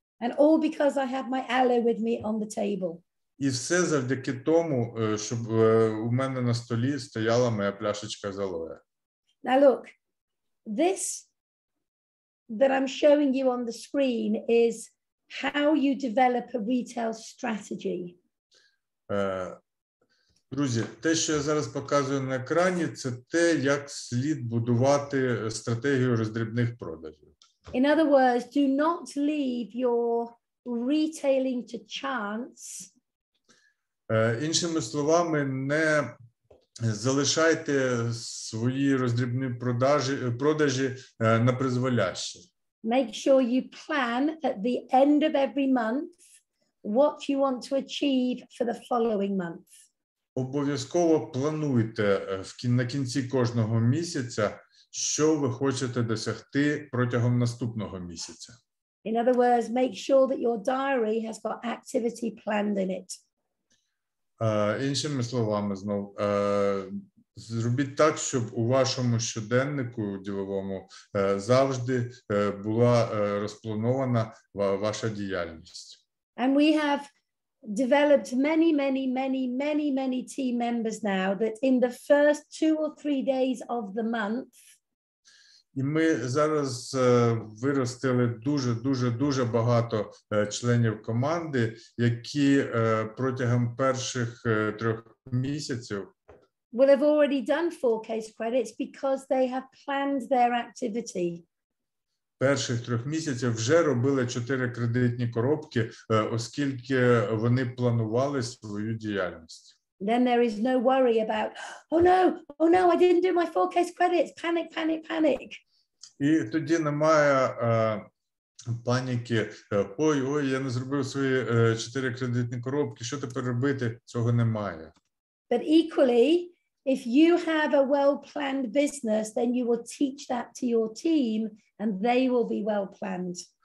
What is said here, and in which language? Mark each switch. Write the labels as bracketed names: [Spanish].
[English] And all because I had my aloe with me on the table. [Ukrainian] І все завдяки тому, щоб у мене на столі стояла моя пляшечка з алоє. [English] Now look, this that I'm showing you on the screen is how you develop a retail strategy. [Ukrainian] Друзі, те, що я зараз показую на екрані, це те, як слід будувати стратегію роздрібних продажів. [English] In other words, do not leave your retailing to chance. [Ukrainian] Іншими словами, не залишайте свої роздрібні продажі на призволяще. [English] Make sure you plan at the end of every month what you want to achieve for the following month. [Ukrainian] Обов'язково плануйте на кінці кожного місяця, що ви хочете досягти протягом наступного місяця. [English] In other words, make sure that your diary has got activity planned in it. [Ukrainian] Іншими словами, знову, зробіть так, щоб у вашому щоденнику діловому завжди була розпланована ваша діяльність. [English] And we have developed many team members now that in the first 2 or 3 days of the month. [Ukrainian] І ми зараз виростили дуже багато членів команди, які протягом перших 3 місяців [English] will have already done 4 case credits because they have planned their activity. [Ukrainian] Перших 3 місяців вже робили 4 кредитні коробки, оскільки вони планували свою діяльність. [English] Then there is no worry about, oh no, I didn't do my 4 case credits, panic. [Ukrainian] І тоді немає паніки, ой, я не зробив свої 4 кредитні коробки, що тепер робити, цього немає. [English] But equally, if you have a well-planned business, then you will teach that to your team and they will be well-planned.